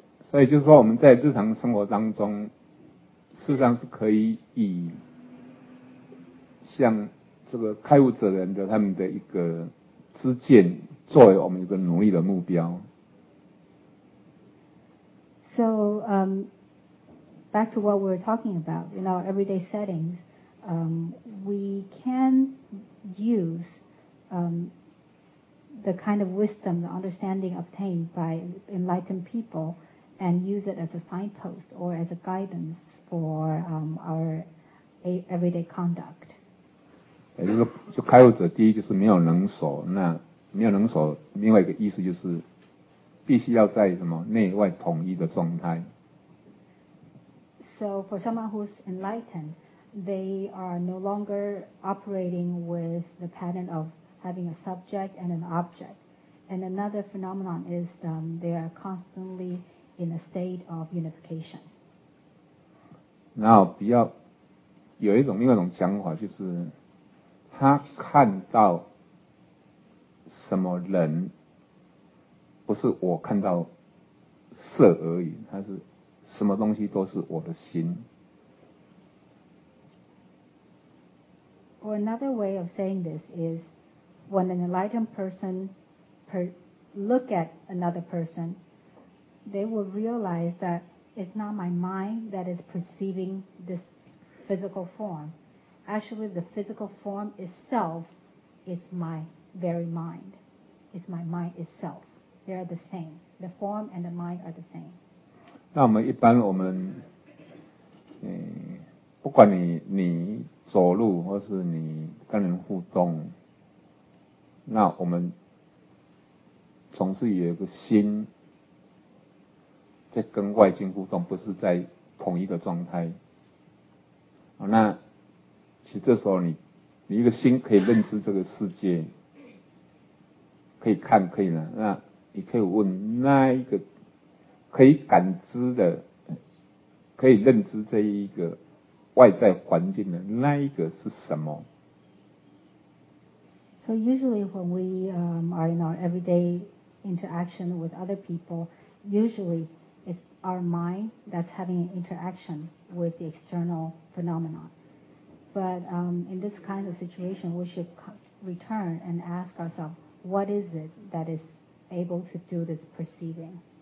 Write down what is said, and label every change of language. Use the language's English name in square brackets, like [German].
[Chinese] 所以就是说，我们在日常生活当中，事实上是可以以像这个开悟者人的他们的一个知见，作为我们一个努力的目标。 [English] So, back to what we were talking about in our everyday settings, we can use the kind of wisdom, the understanding obtained by enlightened people, and use it as a signpost or as a guidance for our everyday conduct. [Chinese] 也就是说，开悟者第一就是没有能所，那没有能所，另外一个意思就是必须要在什么内外统一的状态。 [English] So for someone who's enlightened, they are no longer operating with the pattern of having a subject and an object. And another phenomenon is they are constantly in a state of unification. [Chinese] 然后比较有一种另外一种想法，就是他看到什么人，不是我看到色而已，他是什么东西都是我的心。 [English] Or another way of saying this is, when an enlightened person look at another person, they will realize that it's not my mind that is perceiving this physical form. Actually, the physical form itself is my very mind. It's my mind itself. They are the same. The form and the mind are the same. [Chinese] 那我们一般我们，不管你走路或是你跟人互动，那我们总是有一个心在跟外境互动，不是在同一个状态。那其实这时候你一个心可以认知这个世界，可以看，可以呢，那你可以问那一个可以感知的，可以认知这一个外在环境的那一个是什么。 [English] So usually when we are in our everyday interaction with other people, usually it's our mind that's having an interaction with the external phenomenon. But in this kind of situation, we should return and ask ourselves, what is it that is able to do this perceiving?